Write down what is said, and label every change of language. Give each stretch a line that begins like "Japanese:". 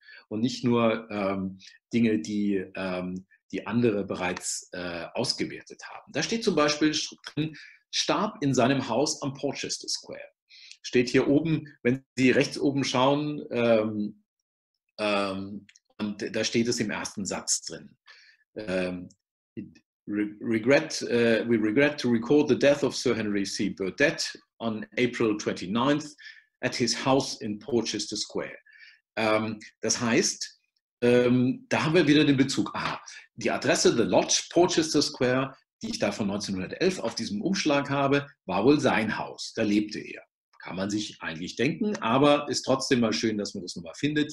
German: Und nicht nur Dinge, die andere bereits ausgewertet haben. Da steht zum Beispiel drin, starb in seinem Haus am Porchester Square. Steht hier oben, wenn Sie rechts oben schauen, und da steht es im ersten Satz drin.
English: We regret to record the death of Sir Henry C. Burdett on April 29th at his house in Porchester Square.
German: Das heißt, da haben wir wieder den Bezug. Aha, die Adresse, The Lodge, Porchester Square, die ich da von 1911 auf diesem Umschlag habe, war wohl sein Haus. Da lebte er. Kann man sich eigentlich denken, aber ist trotzdem mal schön, dass man das nochmal findet.